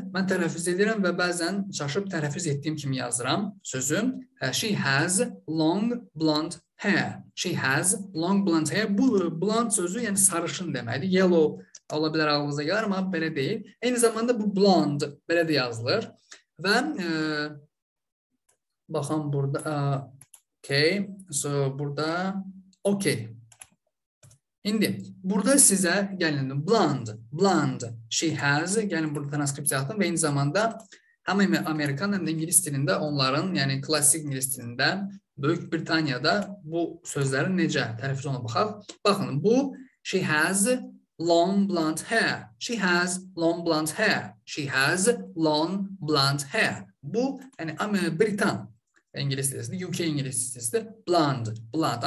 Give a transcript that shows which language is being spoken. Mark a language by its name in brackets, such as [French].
[Azerbaijani] Mən tələffüz edirəm və bəzən çaşıb tələffüz etdiyim kimi yazıram sözüm. [English] She has long blonde hair. She has long blonde hair. [Azerbaijani] Bu blonde sözü, yəni sarışın deməkdir. Yellow ola bilər ağlınıza gəlir, amma belə deyil. Eyni zamanda bu blonde belə də yazılır. Və baxam burada. Okay, so burada okay. İndi, burada sizə gəlin, blonde, blonde, [English] she has, [Azerbaijani] gəlin burada transkripsiya atın və eyni zamanda həm Amerikan, həm də İngilis dilində onların, yəni klasik İngilis dilində Böyük Britaniyada bu sözlərin necə tərəfiz ona baxaq. Baxın, bu, [English] she has long blonde hair, she has long blonde hair, she has long blonde hair. [Azerbaijani] Bu, yəni Britan. İngilis dilisində, UK İngilis dilisində blonde, blonde.